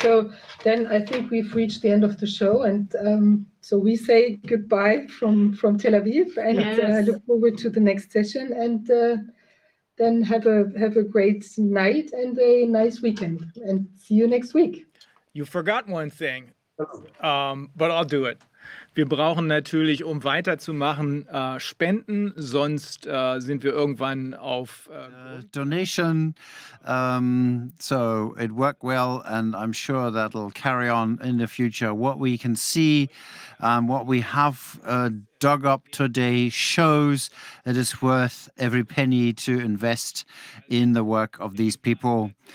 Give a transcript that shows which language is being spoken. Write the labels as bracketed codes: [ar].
[en] So then I think we've reached the end of the show. And so we say goodbye from Tel Aviv, and look forward to the next session. And then have a great night and a nice weekend. And see you next week. You forgot one thing, but I'll do it. [de] Wir brauchen natürlich, um weiterzumachen, Spenden, sonst sind wir irgendwann auf... [en] Donation. So it worked well, and I'm sure that'll carry on in the future. What we can see, what we have dug up today shows it is worth every penny to invest in the work of these people.